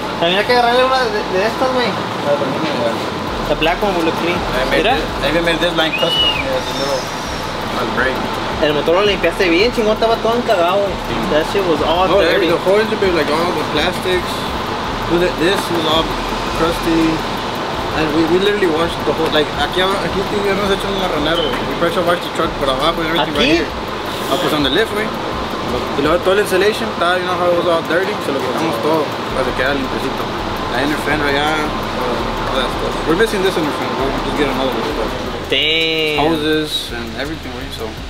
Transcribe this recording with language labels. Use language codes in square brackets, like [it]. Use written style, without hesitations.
[es] También hay que agarrarle una de estas, güey. [en] The black one will look clean. [es] Mira. [en] Maybe made this line custom. Yeah, a little. I'll break. [es] El motor lo limpiaste bien, chingón, estaba todo encagado. [en] That shit was all dirty. The whole engine was like all the plastics. This was all crusty. And we literally washed the whole, like, [es] aquí hemos hecho un marronero. [en] We pressure washed the truck [es] por abajo [en] and everything [es] aquí? [en] Right here. Pues on the lift, wey. [es] Y luego toda la [en] insulation, tal, you know how it was all dirty. [es] Se lo quitamos todo para que quede limpiecito. [en] La inner fan right allá, all that stuff. We're missing this inner fan, we'll just get another one. Damn. Hoses and everything, wey, so.